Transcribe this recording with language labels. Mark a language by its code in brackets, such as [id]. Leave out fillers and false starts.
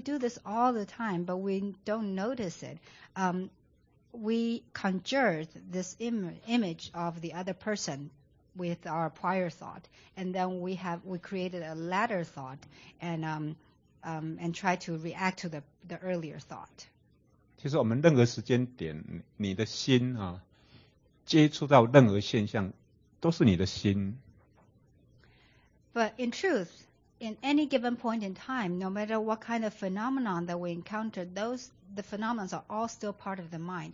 [en] do this all the time, but we don't notice it. We conjure this image of the other person with our prior thought, and then we created a latter thought and try to react to the earlier thought. [zh] 其实我们任何时间点，你的心啊，接触到任何现象，都是你的心。 [en] But in truth, in any given point in time, no matter what kind of phenomenon that we encounter, the phenomena are all still part of the mind.